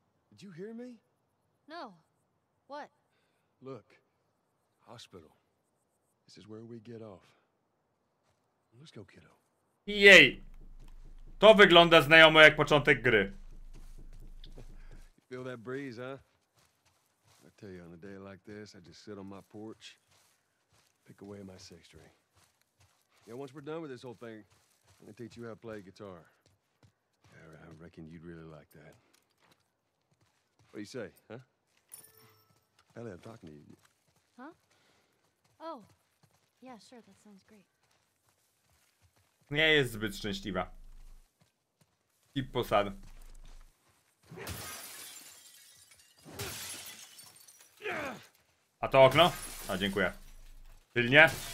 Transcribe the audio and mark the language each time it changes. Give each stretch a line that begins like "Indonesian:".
English: Did you hear me? No. What? Look. Hospital. This is where we get off. Let's go, kiddo.
Polish: Jej! To wygląda znajomo jak początek gry.
English: Feel that breeze, huh? I tell you, on a day like this, I just sit on my porch, pick away my sixth string. Yeah, once we're done with this whole thing, I'm gonna teach you how to play guitar. Yeah, I reckon you'd really like that. What do you say, huh? Ellie, I'm talking to you. Huh? Oh. Yeah, sure, that sounds great.
Polish: Nie jest zbyt szczęśliwa. I posad. A to okno? A, dziękuję. Czyli nie?